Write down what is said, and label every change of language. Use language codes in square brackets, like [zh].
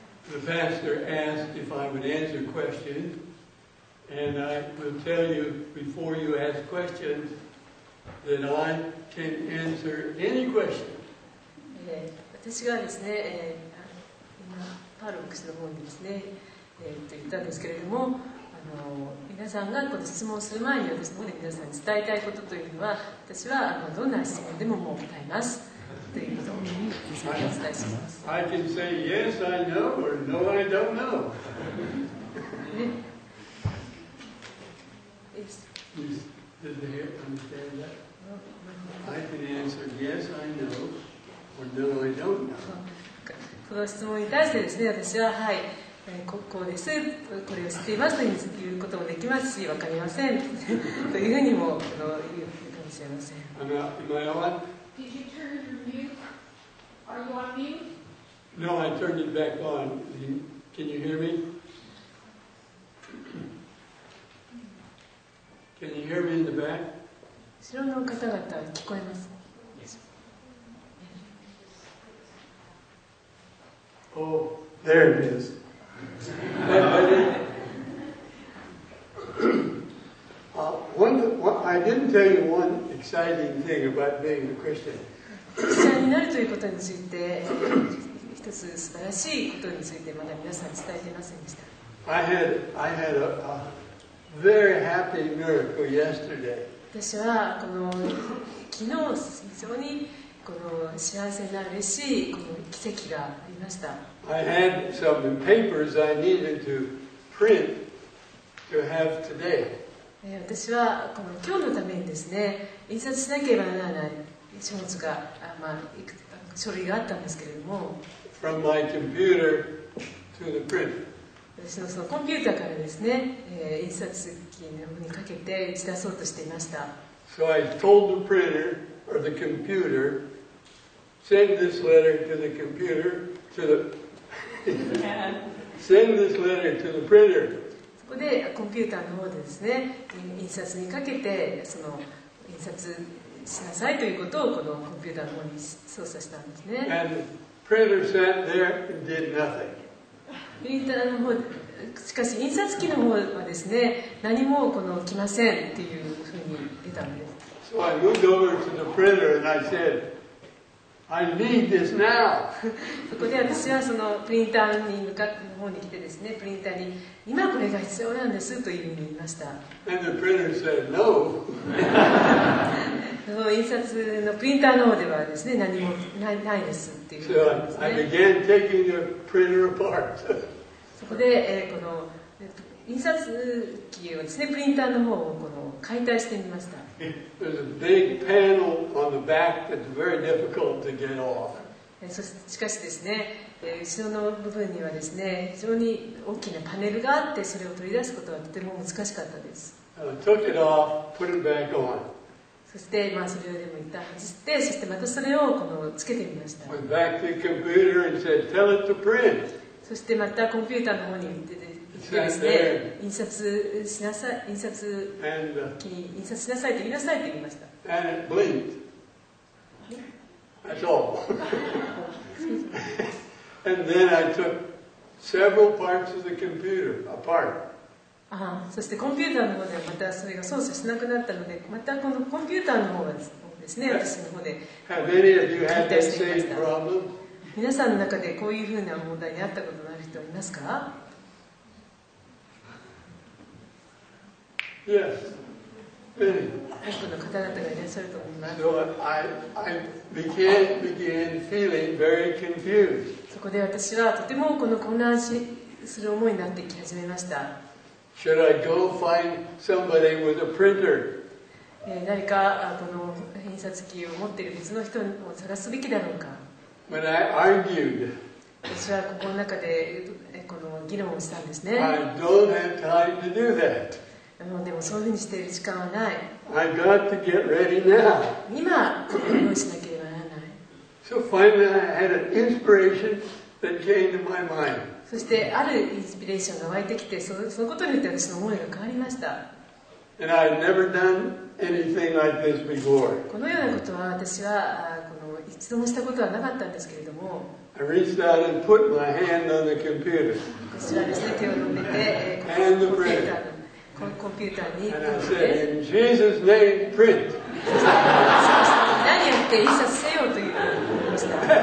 [en] The pastor asked if I would answer questions, and I will tell you before you ask questions that I can answer any question. [ja] 私がですね、パルクスの方にですね、と言ったんですけれども、皆さんがこの質問をする前に私の方で皆さんに伝えたいことというのは、私はどんな質問でももう答えますということを皆さんにお伝えします。 [en] I can say yes I know or no I don't know. Yes. Does the hair understand that? I can answer yes. yes, I know, or no, I don't know. [ja] この質問に対してですね、私ははい、こうです、これを知っていますということもできますし、わかりませんというふうにも言うかもしれません。 [en] No, I turned it back on. Can you hear me? Can you hear me in the back? [ja] 後ろの方々聞こえます。 [en] Yes. Oh, there it is. I didn't tell you one exciting thing about being a Christian. [ja] クリスチャンになるということについて、一つ素晴らしいことについてまだ皆さん伝えていませんでした。 [en] I had a very happy miracle yesterday. [ja] 私はこの昨日非常にこの幸せな嬉しいこの奇跡がありました。 [en] I had some papers I needed to print to have today. [ja] 私はこの今日のためにですね、印刷しなければならない。書物が、まあ、書類があったんですけれども [en] From my computer to the print. [ja] 私のそのコンピューターからですね、印刷機にかけて打ち出そうとしていました。 [en] So I told the printer or the computer, send this letter to the computer to the send this letter to the printer. [ja] そこでコンピューターの方でですね、印刷にかけてその印刷しなさいということをこのコンピューターの方に操作したんですね。 [en] And the printer sat there and did nothing. [ja] プリンターの方、しかし印刷機の方はですね、何もこの来ませんっていうふうに出たんです。 [en] So I moved over to the printer and I said, I need this now. [ja] そこで私はそのプリンターに向かっての方に来てですね、プリンターに今これが必要なんですというふうに言いました。 [en] And the printer said no. [ja] その印刷のプリンターの方ではですね、何もないですっていう感じですね。 [en] So I began taking the printer apart. [ja] そこで、この印刷機をですね、プリンターの方をこの解体してみました。 [en] There's a big panel on the back that's very difficult to get off. [ja] しかしですね、後ろの部分にはですね、非常に大きなパネルがあって、それを取り出すことはとても難しかったです。 [en] I took it off, put it back on. [ja] そして、まあ、それをでも一旦外して、そしてまたそれをこのつけてみました。 [en] Went back to the computer and said, tell it to print. [ja] そしてまたコンピューターの方に行ってですね、印刷しなさい、印刷機に印刷しなさいと言いなさいと言いました。 [en] And it blinked. That's all. And then I took several parts of the computer apart. [ja] ああそしてコンピューターの方でまたそれが操作しなくなったので、またこのコンピューターの方がですね、私の方で解体してみました。皆さんの中でこういうふうな問題にあったことのある人はいますか？ [en] Yes. [ja] 多くの方々がいらっしゃると思います。 [en] So I began feeling very confused. [ja] そこで私はとてもこの混乱する思いになってき始めました。 [en] Should I go find somebody with a printer? [ja] 誰かこの印刷機を持っている別の人を探すべきだろうか。 [en] When I argued, [ja] 私はここの中でこの議論をしたんですね。 [en] I don't have time to do that. [ja] でもそういうふうにしている時間はない。 [en] I got to get ready now. [ja] 今、これをしなければならない。 [en] So finally, I had an inspiration that came to my mind. [ja] そしてあるインスピレーションが湧いてきて、そのことによって私の思いが変わりました。 [en] And I've never done anything like this before. [ja] このようなことは私はこの一度もしたことはなかったんですけれども、 [en] I reached out and put my hand on the computer. [ja] 私はですね、手を伸べて、 [en] and the printer. [ja] コンピューターに、 [en] and I said, in Jesus' name, print. [ja] 何やって印刷せよというのを言いました。